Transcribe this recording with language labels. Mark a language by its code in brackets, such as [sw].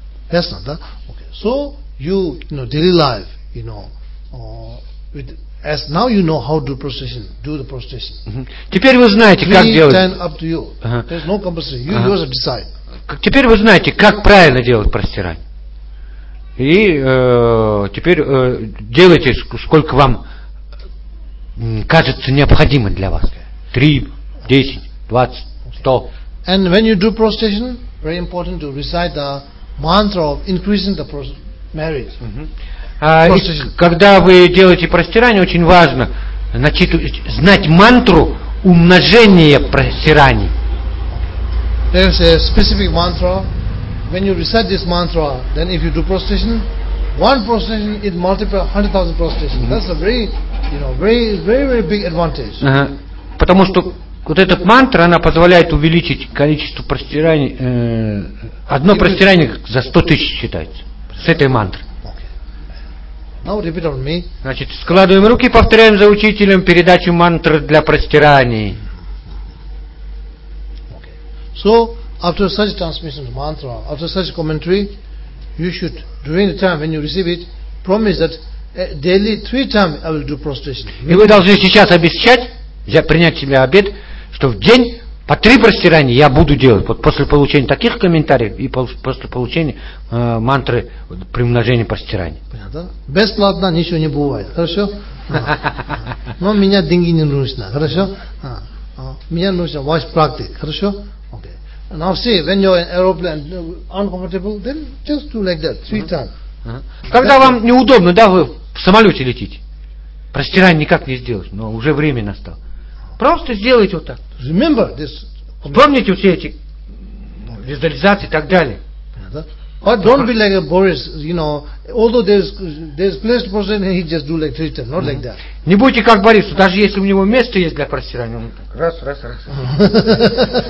[ru] Ясно, да? [en] Okay. So, you, you know, daily life, you know, with As now you know how to procession, do the procession. [ru] Теперь вы знаете, как делать. [en] Free time up to you. There's no compulsion. You yourself decide. [ru] Теперь вы знаете, как правильно делать простирание. И теперь делайте, сколько вам кажется необходимо для вас. 3, 10, 20, 100. [en] And when you do prostration, very important to recite the mantra of increasing the merit. [ru] Когда вы делаете простирание, очень важно знать мантру умножения простираний. [en] There's a specific mantra. When you recite this mantra, then if you do prostration, one prostration it multiplies 100,000 prostrations. That's a very, you know, very, very, very big advantage. [ru] Потому что вот эта мантра, она позволяет увеличить количество простираний. Одно простирание за 100 тысяч считается. С этой мантры. [en] Now repeat on me. [ru] Значит, складываем руки, повторяем за учителем передачу мантры для простираний. [en] So, after such transmission of mantra, after such commentary, you should, during the time when you receive it, promise that daily, 3 times I will do prostration. [ru] И вы должны сейчас обещать, я принять себе обет, что в день по 3 простирания я буду делать. Вот после получения таких комментариев и после получения мантры при умножении простираний. Понятно? Бесплатно ничего не бывает. Хорошо? Но меня деньги не нужны. Хорошо? Меня нужна ваш практик. Хорошо? [en] Now see, when you're in aeroplane, uncomfortable, then just do like that, 3 times. [ru] Когда вам неудобно, да, вы в самолете летите, простирание никак не сделать, но уже время настало. Просто сделайте вот так. [en] Remember this. [ru] Помните все эти визуализации и так далее. [en] But don't be like a Boris, you know, although there's place to prostrate, he just do like 3 times, not like that. [ru] Не будьте как Борис, даже если у него место есть для простирания, он так раз, раз, раз.